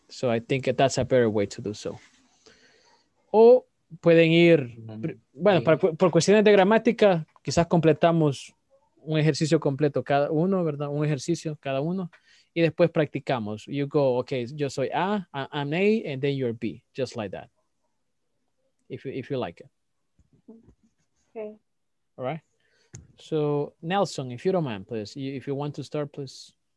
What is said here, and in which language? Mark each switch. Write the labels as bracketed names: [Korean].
[English] So I think that's a better way to do so. [Spanish] O pueden ir, bueno, por cuestiones de gramática, quizás completamos un ejercicio completo cada uno, ¿verdad? Un ejercicio cada uno. Y después practicamos. [English] You go, okay, [Spanish] yo soy A, [English] I'm A, and then you're B. Just like that. If you like it. Okay. All right. So, Nelson, if you don't mind, please. If you want to start, please.